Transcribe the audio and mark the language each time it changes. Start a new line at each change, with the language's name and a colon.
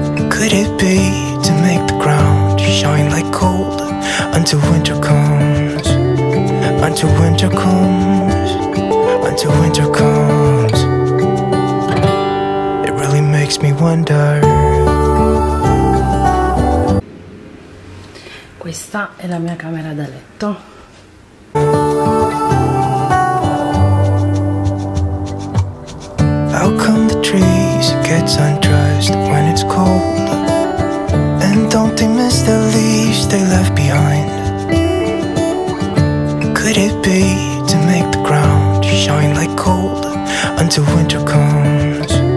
English: Could it be to make the ground shine like gold until winter comes? Until winter comes? Until winter comes? It really makes me wonder.
Italian: Questa è la mia camera da letto.
English: How come the trees gets undressed when it's cold? And don't they miss the leaves they left behind? Could it be to make the ground shine like gold until winter comes?